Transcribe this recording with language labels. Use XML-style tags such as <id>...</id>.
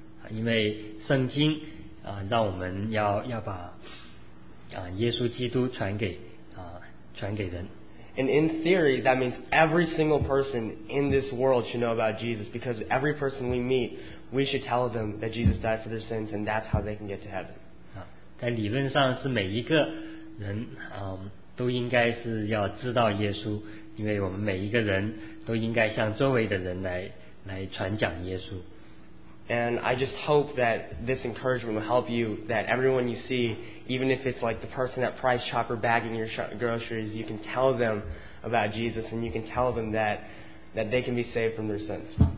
<zh>因为圣经让我们要把耶稣基督传给人。</zh> <en>And in theory, that means every single person in this world should know about Jesus, because every person we meet, we should tell them that Jesus died for their sins, and that's how they can get to heaven.</en> <zh>在理论上是每一个人都应该是要知道耶稣，因为我们每一个人都应该向周围的人来传讲耶稣。</zh> <en>And I just hope that this encouragement will help you, that everyone you see, even if it's like the person at Price Chopper bagging your groceries, you can tell them about Jesus, and you can tell them that they can be saved from their sins.</en>